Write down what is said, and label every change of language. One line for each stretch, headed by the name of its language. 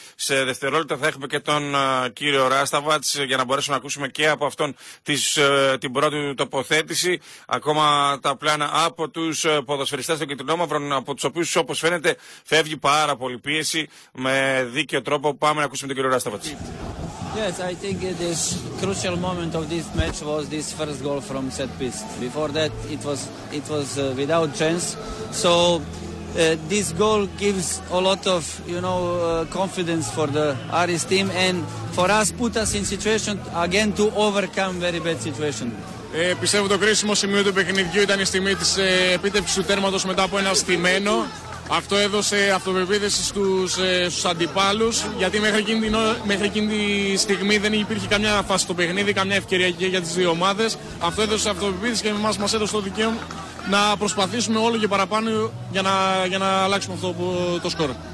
Greek: Σε δευτερόλεπτα θα έχουμε και τον κύριο Ράσταβατς για να μπορέσουμε να ακούσουμε και από αυτόν την πρώτη τοποθέτηση. Ακόμα τα πλάνα από τους ποδοσφαιριστές των Κιτρινόμαυρων, από τους οποίους όπως φαίνεται φεύγει πάρα πολύ πίεση με δίκαιο τρόπο. Πάμε να ακούσουμε τον κύριο Ράσταβατς.
English: Yes, I think this crucial moment of this match was this first goal from set piece. Before that it was without chance. So this goal gives a lot of, you know, confidence for the Aris team and for us put us in situation again to overcome very bad situation.
Greek: Πιστεύω το κρίσιμο σημείο του παιχνιδιού ήταν η στιγμή της επίτευξης του τέρματος μετά από ένα στημένο. Αυτό έδωσε αυτοπεποίθηση στους αντιπάλους, γιατί μέχρι εκείνη τη στιγμή δεν υπήρχε καμιά φάση στο παιχνίδι, καμιά ευκαιρία και για τις δύο ομάδες. Αυτό έδωσε αυτοπεποίθηση και εμάς μας έδωσε το δικαίωμα να προσπαθήσουμε όλο και παραπάνω για να αλλάξουμε αυτό το σκορ.